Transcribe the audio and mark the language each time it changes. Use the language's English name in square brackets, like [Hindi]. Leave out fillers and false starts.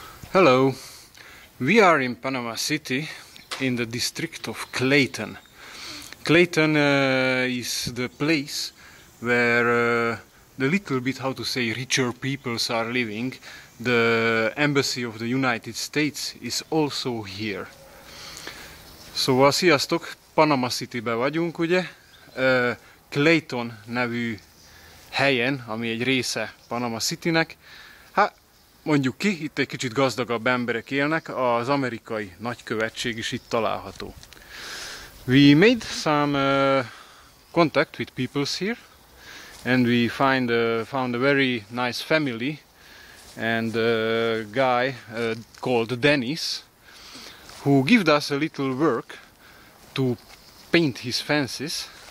[English] Hello, we are in Panama City in the district of Clayton. Clayton is the place where the little bit, how to say, richer peoples are living. The embassy of the United States is also here. [Hungarian] Szóval sziasztok, Panama Cityben vagyunk, ugye? Clayton nevű helyen, ami egy része Panama Citynek. Mondjuk ki, itt egy kicsit gazdagabb emberek élnek, az amerikai nagykövetség is itt található. [English] We made some contact with people here, and we found a very nice family, and a guy called Dennis, who gave us a little work to paint his fences.